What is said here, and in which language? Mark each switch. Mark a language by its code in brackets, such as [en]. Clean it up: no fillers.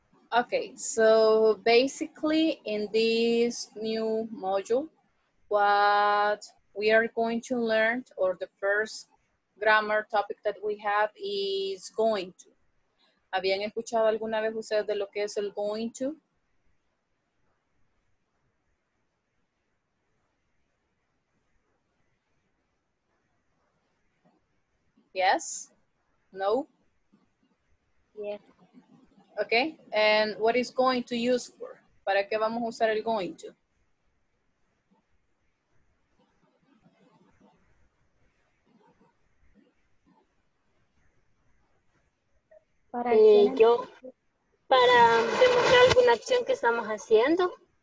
[en] Ok, so basically in this new module, what we are going to learn, or the first grammar topic that we have is going to. [es] ¿Habían escuchado alguna vez ustedes de lo que es el going to? [en] Yes? No? Yes. Okay, and what is going to use for? [es] ¿Para qué vamos a usar el going to? Para yo, para demostrar alguna acción que estamos haciendo.